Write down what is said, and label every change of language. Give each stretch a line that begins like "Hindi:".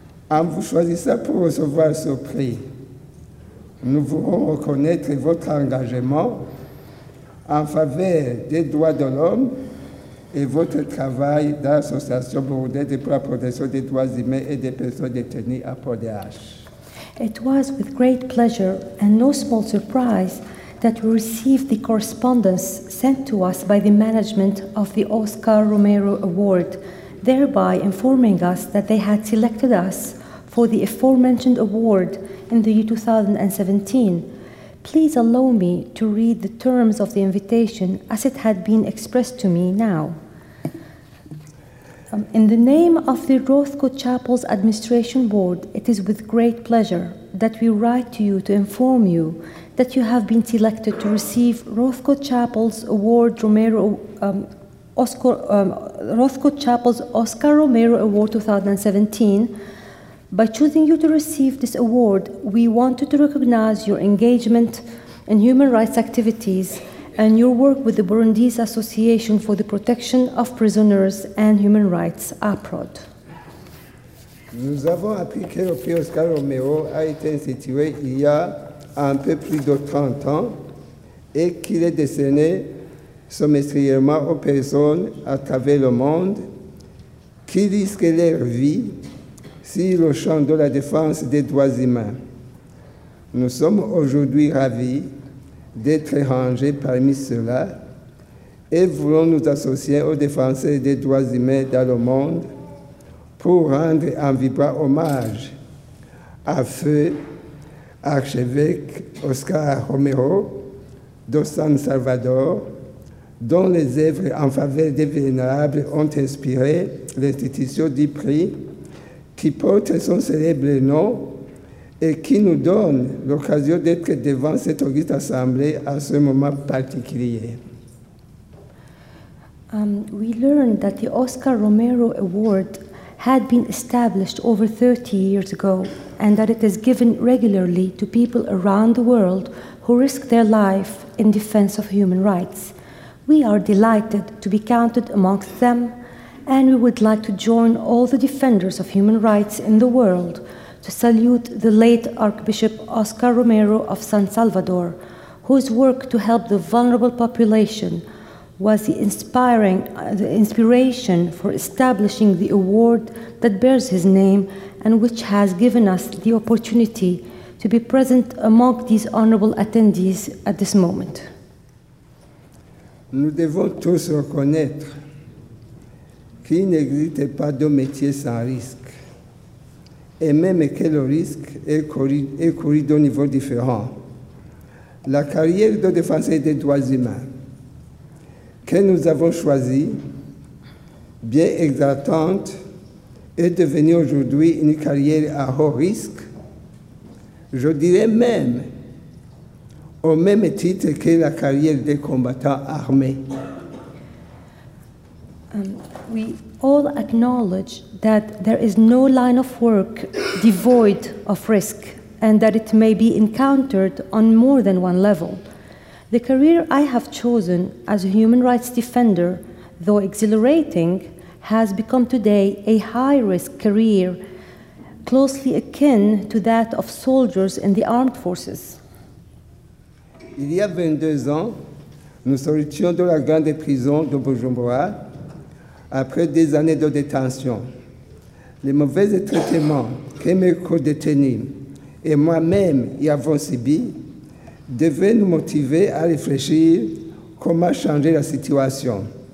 French: En vous choisissant pour recevoir ce prix, nous voulons reconnaître votre engagement en faveur des droits de l'homme et votre travail dans l'Association burundaise pour la protection des droits humains et des personnes détenues à PODH.
English: It was with great pleasure and no small surprise that we received the correspondence sent to us by the management of the Oscar Romero Award, thereby informing us that they had selected us for the aforementioned award in the year 2017. Please allow me to read the terms of the invitation as it had been expressed to me now. In the name of the Rothko Chapel's Administration Board, it is with great pleasure that we write to you to inform you that you have been selected to receive Rothko Chapel's Award Romero Rothko Chapel's Oscar Romero Award 2017. By choosing you to receive this award, we wanted to recognize your engagement in human rights activities and your work with the Burundese Association for the Protection of Prisoners and Human Rights, APROD.
French: Nous avons appris que le prix Oscar Romero a été institué il y a un peu plus de 30 ans et qu'il est décerné semestriellement aux personnes à travers le monde qui risquent leur vie sur le champ de la défense des droits humains. Nous sommes aujourd'hui ravis d'être rangés parmi ceux-là et voulons nous associer aux défenseurs des droits humains dans le monde pour rendre un vibrant hommage à feu archevêque Oscar Romero de San Salvador, dont les œuvres en faveur des vulnérables ont inspiré l'institution du prix qui porte son célèbre nom et qui nous donne l'occasion d'être devant cette auguste assemblée à ce moment particulier.
English: We learned that the Oscar Romero Award had been established over 30 years ago and that it is given regularly to people around the world who risk their life in defense of human rights. We are delighted to be counted amongst them, and we would like to join all the defenders of human rights in the world to salute the late Archbishop Oscar Romero of San Salvador, whose work to help the vulnerable population was the inspiration for establishing the award that bears his name and which has given us the opportunity to be present among these honorable attendees at this moment.
French: Nous devons tous reconnaître qu'il n'existe pas de métier sans risque, et même que le risque est couru de niveaux différents. La carrière de défenseur des droits humains que nous avons choisie, bien exaltante, est devenue aujourd'hui une carrière à haut risque, je dirais même au même titre que la carrière des combattants armés.
English: We all acknowledge that there is no line of work devoid of risk and that it may be encountered on more than one level. The career I have chosen as a human rights defender, though exhilarating, has become today a high-risk career, closely akin to that of soldiers in the armed forces.
French: Il y a 22 ans, nous sortions de la grande prison de Bujumbura. Après des années de détention, les mauvais traitements que mes co-détenus et moi-même y avons subi devaient nous motiver à réfléchir comment changer la situation.